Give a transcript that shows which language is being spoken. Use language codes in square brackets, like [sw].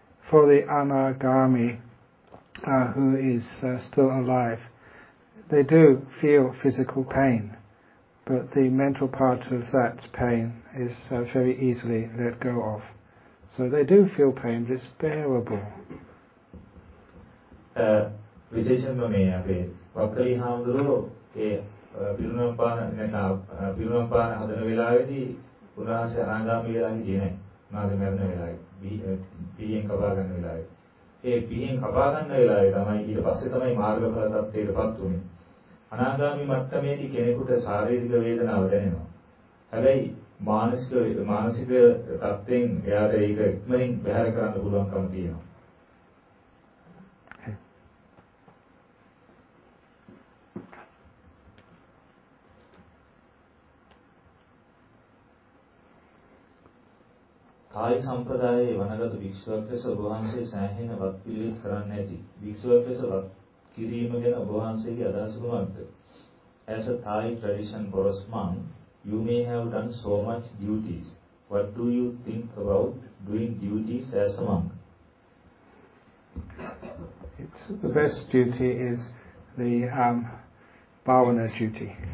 [en] For the anagami who is still alive, they do feel physical pain. But the mental part of that pain is very easily let go of. So they do feel pain, but it's bearable. Vijay Chandra, I have a question. [si] පිරුණම්පාන හදන වෙලාවේදී උන්වහන්සේ අනාගාමි වෙලා හිටියේ නැහැ. උන්වහන්සේ මැරෙන වෙලාවේ පිහියෙන් කපා ගන්න වෙලාවේ. ඒ පිහියෙන් කපා ගන්න වෙලාවේ තමයි ඊට පස්සේ තමයි මාර්ගඵල තත්ත්වයටපත් උනේ. අනාගාමි මට්ටමේදී කෙනෙකුට ශාරීරික වේදනාවක් දැනෙනවා. හැබැයි මානසික තත්ත්වෙන් එයාට ඒක ඉක්මනින් බැහැර කරන්න පුළුවන්කම තියෙනවා. කායි සම්ප්‍රදායේ වනගත භික්ෂුවක් ලෙස ඔබ වහන්සේ සෑහෙන වත් පිළිවෙත් කරන්නේ නැති භික්ෂුවක් ලෙස වත් කිරීම ගැන ඔබ වහන්සේගේ අදහස කුමක්ද? [en] As a Thai tradition Boros monk, you may have done so much duties. What do you think about doing duties as a monk? It's the best duty is the bhavana duty.